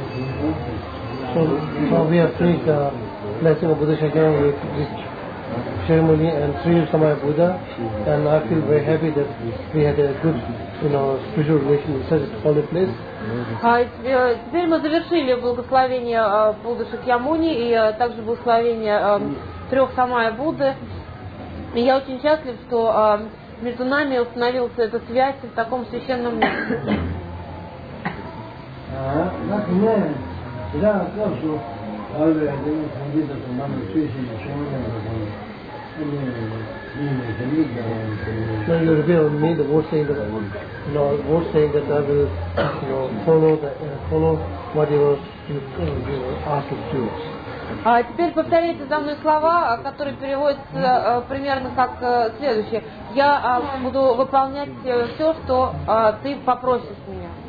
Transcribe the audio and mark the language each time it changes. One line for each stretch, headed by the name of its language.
English: So we have finished the blessing of Buddha Shakyamuni with this ceremony and Sri Samaya Buddha, and I feel very happy that we had a good, spiritual relation in such a holy place.
Russian: Теперь мы завершили благословение Будды Шакьямуни и также благословение трех Самая Будды. И я очень счастлив, что между нами установилась эта связь в таком священном месте.
English: So you reveal me the word saying that I will follow what you ask of you.
Russian: А теперь повторяйте за мной слова, которые переводятся примерно как следующее. Я буду выполнять все, что ты попросишь меня.